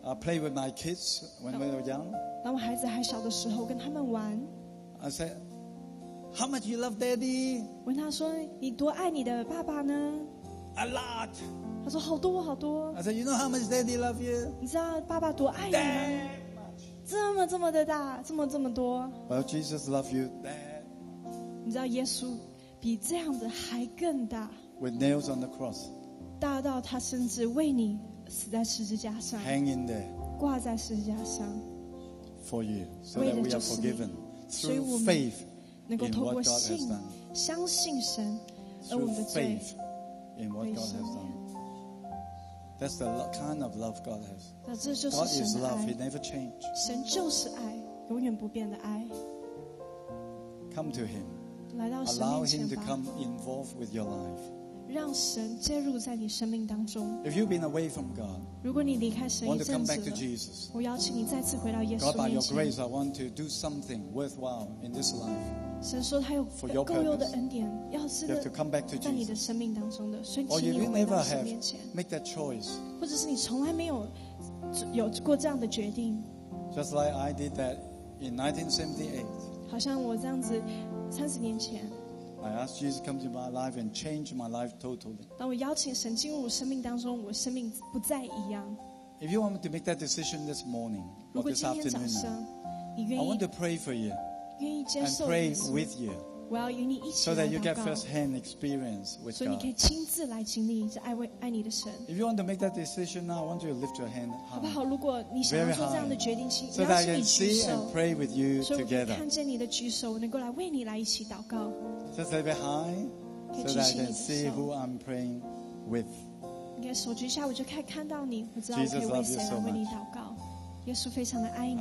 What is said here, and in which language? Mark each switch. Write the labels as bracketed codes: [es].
[en] ？I play with my kids when we were young. [zh] 当我孩子还小的时候，跟他们玩。 [en] I said, "How much you love Daddy?" [zh] 问他说，你多爱你的爸爸呢 [en] ？A lot. [zh] 他说好多好多。 [en] I said, you know how much Daddy love you? [zh] 你知道爸爸多爱你吗 [en] ？That much. [zh] 这么这么的大，这么这么多。 [en] Well, Jesus love you that. [zh] 你知道耶稣比这样的还更大。 [en] With nails on the cross. [zh] 大到他甚至为你死在十字架上。 [en] Hanging there. [zh] 挂在十字架上。 [en] For you, so that we are forgiven through faith in what God has done. [zh] 相信神，而我们的罪。 [en] Faith in what God has done. That's the kind of love God has. God is love. He never changes. [zh] 神就是爱，永远不变的爱。 [en] Come to Him. [zh] 来到神面前吧。 [en] Allow Him to come involved with your life. [zh] 让神介入在你生命当中。 [en] If you've been away from God, [zh] 如果你离开神一阵子， [en] want to come back to Jesus. [zh] 我邀请你再次回到耶稣面前。 [en] God, by your grace, I want to do something worthwhile in this life. [zh] 神说他有够用的恩典，要是在你的生命当中的，所以请你回到神面前。 [en] Or you never have make that choice. [zh] 或者是你从来没有过这样的决定。 [en] Just like I did that in 1978. [zh] 好像我这样子三十年前。 [en] I asked Jesus to come to my life and change my life totally. [zh] 当我邀请神进入我生命当中，我生命不再一样。 [en] If you want me to make that decision this morning, or this afternoon, [zh] 如果今天早上你愿意， [en] I want to pray for you. And pray with you, so that you get first-hand experience with God. [zh] 所以你可以亲自来经历这爱为爱你的神。 [en] If you want to make that decision now, I want you to lift your hand high. [zh] 好不好？如果你想要做这样的决定，请邀请你举手。 [en] So that I can see and pray with you together. [zh] 所以我看见你的举手，我能够来为你来一起祷告。 [en] Just lift it high, so that I can see who I'm praying with. [zh] 你的手举下，我就可以看到你，我知道我可以为谁来为你祷告。耶稣非常的爱你。